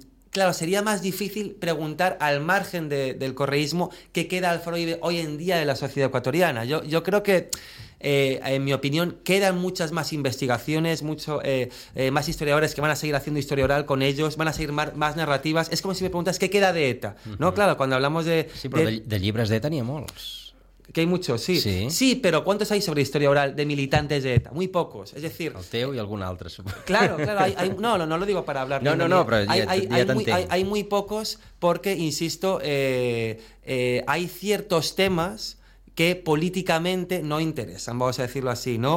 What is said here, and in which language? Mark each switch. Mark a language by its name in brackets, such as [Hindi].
[Spanish] Claro, sería más difícil preguntar al margen del correísmo qué queda al Faro Vive hoy en día de la sociedad ecuatoriana. Yo creo que en mi opinión, quedan muchas más investigaciones, más historiadores que van a seguir haciendo historia oral con ellos, van a seguir más narrativas. Es como si me preguntas qué queda de ETA, ¿no? Claro, cuando hablamos de... [Catalan] Sí, [Spanish] pero [Catalan] de llibres d'ETA n'hi ha molts. [Spanish] Que hay muchos, sí. Sí. Sí, pero ¿cuántos hay sobre historia oral de militantes de ETA? Muy pocos. Es decir... [Catalan] El teu y algún altre, [Spanish] supongo. Claro. No lo digo para hablar. No, pero hay muy pocos porque, insisto, hay ciertos temas que políticamente no interesan, vamos a decirlo así, ¿no?